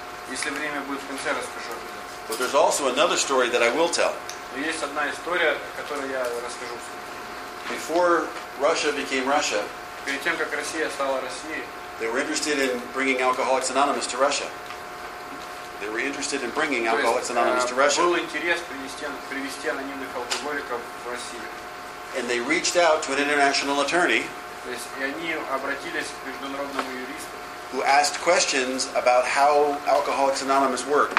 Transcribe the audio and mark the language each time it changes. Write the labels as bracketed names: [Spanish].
[Russian] Если время будет, в конце расскажу. [English] But there's also another story that I will tell. [Russian] Но есть одна история, которую я расскажу. [English] Before Russia became Russia, [Russian] перед тем, как Россия стала Россией, [English] they were interested in bringing Alcoholics Anonymous to Russia. They were interested in bringing Alcoholics Anonymous to Russia. [Russian] Был интерес привести анонимных алкоголиков в Россию. [English] And they reached out to an international attorney. [Russian] То есть, и они обратились к международному юристу. [English] Who asked questions about how Alcoholics Anonymous worked?